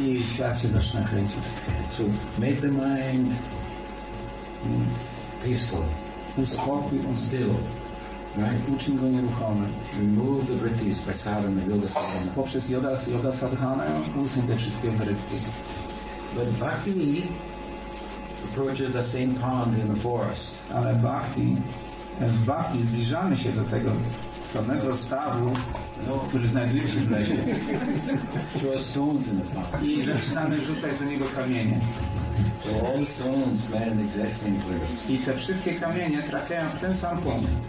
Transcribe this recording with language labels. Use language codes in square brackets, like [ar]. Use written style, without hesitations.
[pl] I świat się zaczyna kręcić. [en] So make the mind peaceful. [pl] Uspokój on [en] still. Right? [pl] Uczyń go nieruchomy. [en] Remove the vrittis by sadhana, yoga sadhana. [pl] Poprzez yoga sadhana usuń te wszystkie vritti. [en] But bhakti approaches the same pond in the forest. [pl] Ale w bhakti zbliżamy się do tego samego stawu, który znajduje się w lesie. [en] Throw stones in the pond. [pl] I zaczynamy rzucać do niego kamienie. [en] All stones land in the exact same place. [pl] I te wszystkie kamienie trafiają w ten sam punkt.